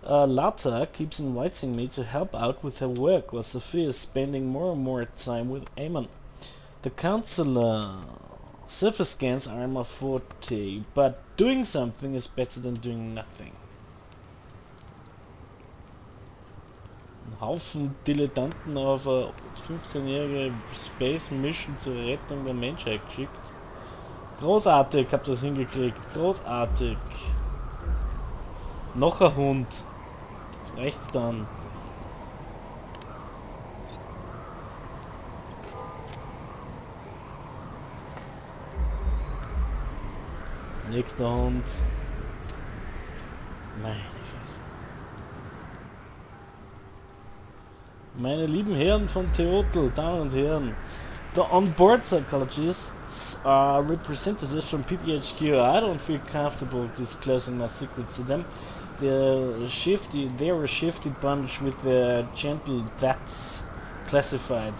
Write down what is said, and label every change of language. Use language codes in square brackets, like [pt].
[en] Lata keeps inviting me to help out with her work while Sophia is spending more and more time with Eamon. The counselor. Surface scans are my forte, but doing something is better than doing nothing. [de] Haufen Dilettanten auf eine 15-jährige Space Mission zur Rettung der Menschheit geschickt. Großartig, hab das hingekriegt. Großartig. Noch ein Hund. Das reicht dann. Nächster Hund. Meine Fresse. Meine lieben Herren von Teotl, Damen und Herren. [en] The onboard psychologists are representatives from PPHQ. I don't feel comfortable disclosing my secrets to them. They're a shifty bunch with their gentle that's classified.